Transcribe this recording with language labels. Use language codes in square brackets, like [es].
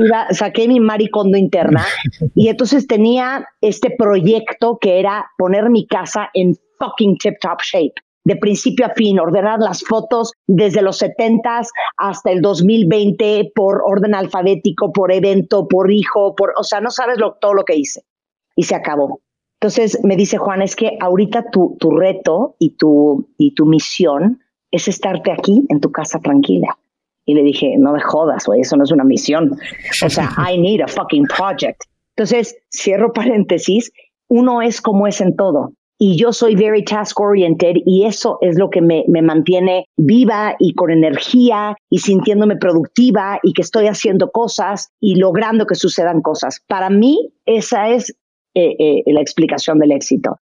[es] Saqué mi Marie Kondo interna. Y entonces tenía este proyecto que era poner mi casa en fucking tip top shape, de principio a fin, ordenar las fotos desde los 70s hasta el 2020 por orden alfabético, por evento, por hijo, no sabes todo lo que hice. Y se acabó. Entonces me dice Juan, es que ahorita tu reto y tu misión es estarte aquí en tu casa tranquila. Y le dije, no me jodas, güey, eso no es una misión. [en] O sea, I need a fucking project. [es] Entonces, cierro paréntesis, uno es como es en todo. Y yo soy very task oriented y eso es lo que me mantiene viva y con energía y sintiéndome productiva y que estoy haciendo cosas y logrando que sucedan cosas. Para mí, esa es la explicación del éxito.